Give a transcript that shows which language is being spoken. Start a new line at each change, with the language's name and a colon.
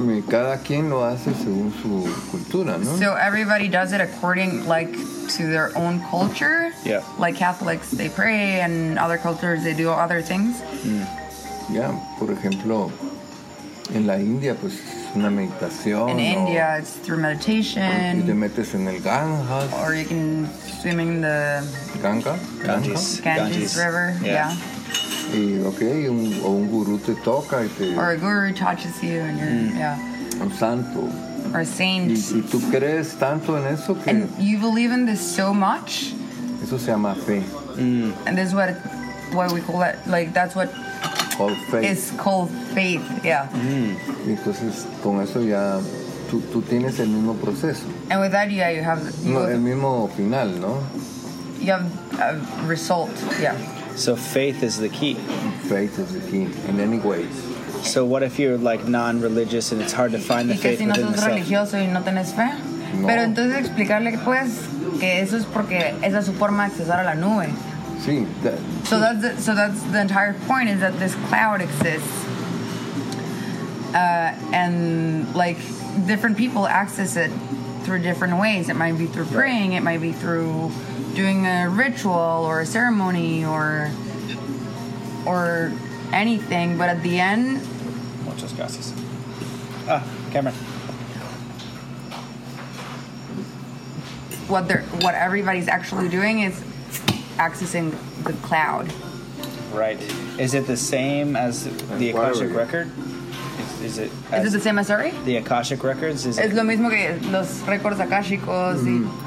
Spanish: Cada quien lo hace según su cultura, ¿no?
English: So everybody does it according, like, to their own culture. Yeah. Like Catholics, they pray, and other cultures, they do other things. Mm.
Spanish: Yeah, por ejemplo, en la India, pues, es una meditación.
English: In India, it's through meditation.
Spanish: Y te metes en el Ganges.
English: Or you can swim in the... Ganges. River, yeah.
Spanish: Y, okay, un guru te toca y te...
English: Or a guru touches you and you're... Mm. Yeah.
Spanish: Un santo.
English: or a saint.
Spanish: Y tú crees tanto en eso que
English: and you believe in this so much.
Spanish: Eso se llama fe.
English: And this is what we call it, like that's what called faith. Is called faith, yeah. Mm. Entonces, con eso ya, tú tienes el mismo proceso. And with that, yeah, you have... el mismo final, ¿no? You have a result, yeah. So faith is the key. Faith is the key in any ways. So what if you're like non-religious and it's hard to find the faith within yourself?
Spanish: Y que si no sos religioso y no tenés fe. No. Pero entonces explicarle que pues que eso es porque esa es su forma de accesar a la nube. Sí.
English: So that's the entire point is that this cloud exists. And like different people access it through different ways. It might be through praying. It might be through doing a ritual or a ceremony or anything, but at the end...
Spanish: Muchas gracias. Ah, Cameron.
English: What everybody's actually doing is accessing the cloud. Right. Is it the same as the Akashic record? Is it the same as, sorry? The Akashic records?
Spanish: Es lo mismo que los récords akashicos y...